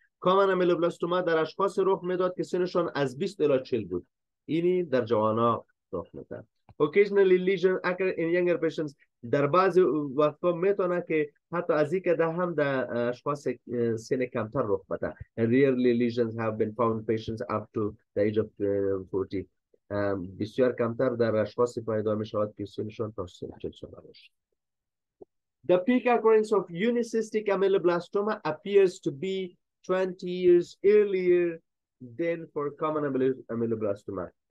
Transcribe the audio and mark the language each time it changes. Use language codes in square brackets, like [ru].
[fa] کامن امیلوبلاستوما در اشخاص رخ میداد که سنشان از 20 الی 40 بود. اینی در جوانان رخ میده. [en] Occasionally lesion occur in younger patients. [fa] در بعضی وقتا میتونه که حتی از اینکه ده هم در اشخاص سن کمتر رخ بده. [en] Rarely lesions have been found patients up to the age of 40. [fa] بسیار کمتر در اشخاص پیدا میشود که سنشان تا 40 سال باشد. [en] The peak occurrence of unicystic ameloblastoma appears to be 20 years earlier than for common ameloblastoma.